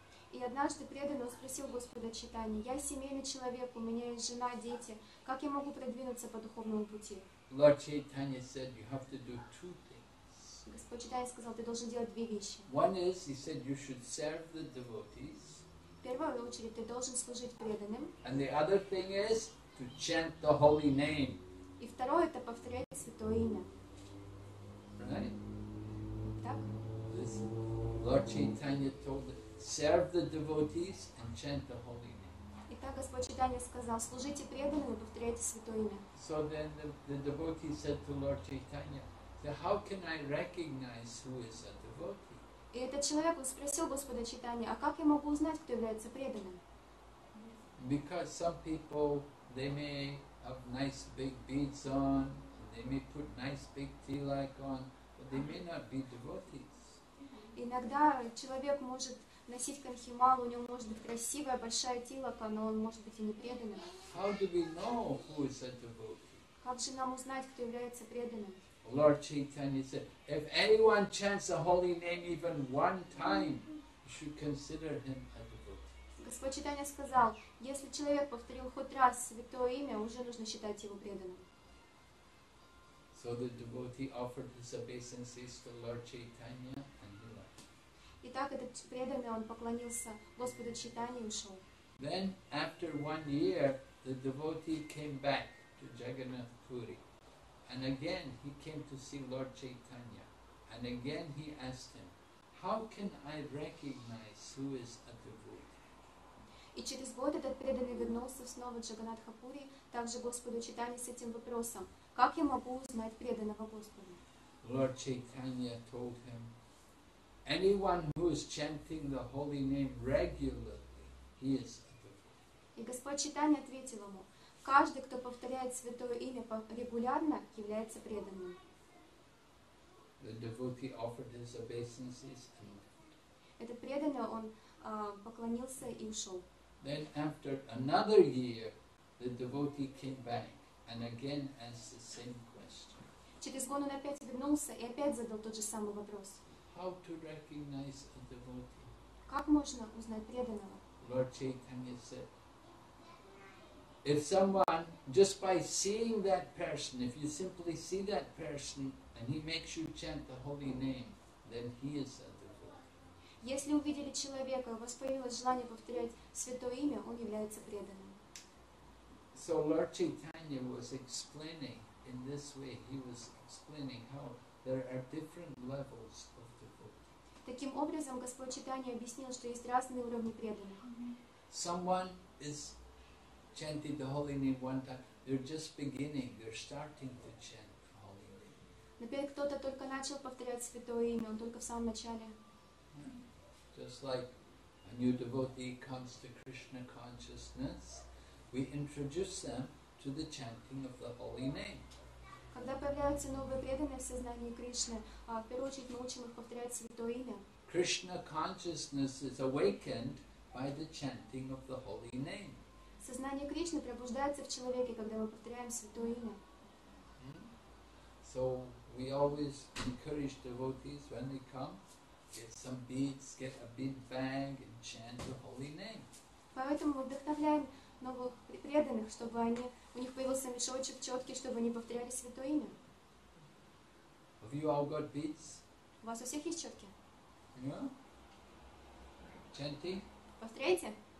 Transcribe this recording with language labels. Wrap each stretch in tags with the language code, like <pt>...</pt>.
<ru>И однажды преданный спросил Господа Чайтанью: "Я семейный человек, у меня есть жена, дети. Как я могу продвинуться по духовному пути?"</ru> <en>Lord Chaitanya said, "You have to do two things."</en> <ru>Господь Чайтанья сказал: "Ты должен делать две вещи."</ru> <en>One is, he said, "You should serve the devotees."</en> <ru>В первую очередь ты должен служить преданным.</ru> <en>And the other thing is to chant the holy name.</en> <ru>И второе это повторять святое имя.</ru> <en>Right? Lord Chaitanya told them, serve the devotees and chant the holy name.</en> <ru>Итак, Господь Чайтанья сказал, служите преданным и повторяйте святое имя.</ru> <en>So then the devotee said to Lord Chaitanya, how can I recognize who is a devotee?</en> <ru>И этот человек спросил Господа Чайтанья, а как я могу узнать, кто является преданным?</ru> <en>Because some people, they may have nice big beads on, they may put nice big tilak on, but they may not be devotees.</en> <ru>Иногда человек может носить канхималу, у него может быть красивая большая тилака, но он может быть и непреданным.</ru> <en>How do we know who is such a gopi?</en> <ru>Как же нам узнать, кто является преданным?</ru> <en>Lord Chaitanya said, if anyone chants the holy name even one time, you should consider him a devotee.</en> <ru>Господь Чайтанья сказал, если человек повторил хоть раз святое имя, уже нужно считать его преданным.</ru> <en>So the devotee offered his obeisances to Lord Chaitanya and he left.</en> <ru>Итак, этот преданный, он поклонился Господу Чайтанье и ушел.</ru> <en>Then, after one year, the devotee came back to Jagannath Puri. And again he came to see Lord Chaitanya. And again he asked him, how can I recognize who is a devotee?</en> <ru>И через год этот преданный вернулся снова в Джаганатхапури, также Господу Чайтанье с этим вопросом. Как я могу узнать преданного Господу?</ru> <en>Lord Chaitanya told him, anyone who is chanting the holy name regularly, he is a devotee.</en> <ru>И Господь Чайтанья ответил ему, каждый, кто повторяет святое имя регулярно, является преданным.</ru> <en>The devotee offered his obeisances and left.</en> <ru>Этот преданный, он поклонился и ушел.</ru> <en>Then after another year, the devotee came back and again asked the same question.</en> <ru>Через год он опять вернулся и опять задал тот же самый вопрос.</ru> <en>How to recognize a devotee?</en> <ru>Как можно узнать преданного?</ru> <en>Lord Chaitanya said, if someone, just by seeing that person, if you simply see that person and he makes you chant the holy name, then he is a devotee.</en> <ru>Если увидели человека, у вас появилось желание повторять святое имя, он является преданным.</ru> <en>So Lord Chaitanya was explaining in this way, he was explaining how there are different levels of devotee.</en> <ru>Таким образом, Господь Чайтанья объяснил, что есть разные уровни преданных.</ru> <en>Someone is chanted the holy name one time, they're just beginning, they're starting to chant the holy name.</en> <ru>Например, кто-то только начал повторять святое имя, он только в самом начале.</ru> <en>Just like a new devotee comes to Krishna consciousness, we introduce them to the chanting of the holy name.</en> <ru>Когда появляются новые преданные в сознании Кришны, в первую очередь мы учим их повторять святое имя.</ru> <en>Krishna consciousness is awakened by the chanting of the holy name.</en> <ru>Сознание Кришны пробуждается в человеке, когда мы повторяем святое имя.</ru> <en>So we always encourage devotees when they come, get some beads, get a bead bag and chant the holy name.</en> <ru>Поэтому мы вдохновляем новых преданных, чтобы они, у них появился мешочек, четки, чтобы они повторяли святое имя.</ru> <en>Have you all got beads?</en> <ru>У вас у всех есть четки?</ru> <en>Yeah. Chanting?</en> <ru>Повторяйте.</ru>